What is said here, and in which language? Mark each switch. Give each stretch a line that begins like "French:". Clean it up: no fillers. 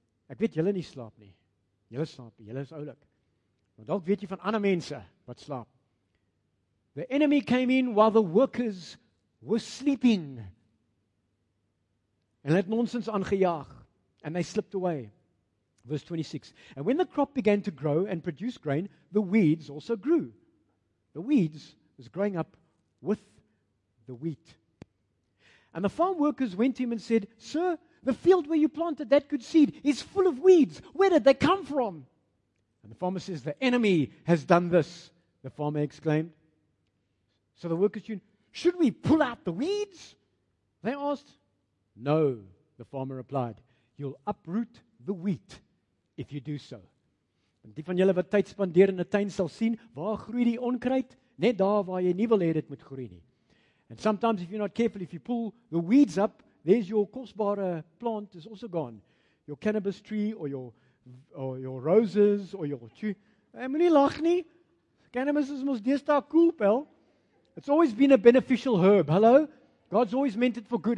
Afrikaans: Ek weet julle nie slaap nie. Julle slaap, julle is oulik. Maar dalk weet jy van ander mense wat slaap.
English: The enemy came in while the workers were sleeping.
Afrikaans: En het nonsens aangejaag
English: and they slipped away. Verse 26. "And when the crop began to grow and produce grain, the weeds also grew." The weeds was growing up with the wheat. "And the farm workers went to him and said, 'Sir, the field where you planted that good seed is full of weeds. Where did they come from?' And the farmer says, 'The enemy has done this,' the farmer exclaimed. So the workers said, 'Should we pull out the weeds?' They asked. 'No,' the farmer replied. 'You'll uproot the wheat if you do so.'"
Afrikaans: En die van julle wat tyd spandeer in 'n tuin sal sien, waar groei die onkruid? Net daar waar jy nie wil hê dit moet groei nie.
English: And sometimes if you're not careful, if you pull the weeds up, there's your kosbare plant is also gone. Your cannabis tree or your roses or your tree.
Afrikaans: Moenie lag nie. Cannabis is mos deesdae cool, pal.
English: It's always been a beneficial herb. Hello? God's always meant it for good.